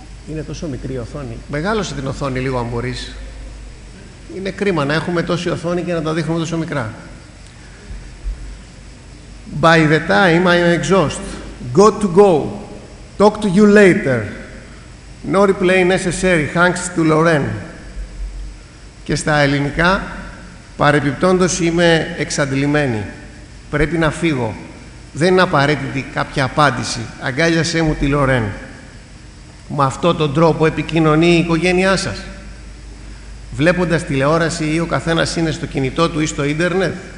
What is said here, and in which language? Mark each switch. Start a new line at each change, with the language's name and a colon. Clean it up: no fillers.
Greek: Είναι τόσο μικρή η οθόνη. Μεγάλωσε την οθόνη λίγο αν μπορείς. Είναι κρίμα να έχουμε τόση οθόνη και να τα δείχνουμε τόσο μικρά.
English: By the time I'm exhausted, got to go, talk to you later, no replay necessary, thanks to Loren.
Greek: Και στα ελληνικά, παρεπιπτόντως είμαι εξαντλημένη. Πρέπει να φύγω. Δεν είναι απαραίτητη κάποια απάντηση. Αγκάλιασέ μου τη Loren. Με αυτόν τον τρόπο επικοινωνεί η οικογένειά σας. Βλέποντας τηλεόραση ή ο καθένας είναι στο κινητό του ή στο ίντερνετ.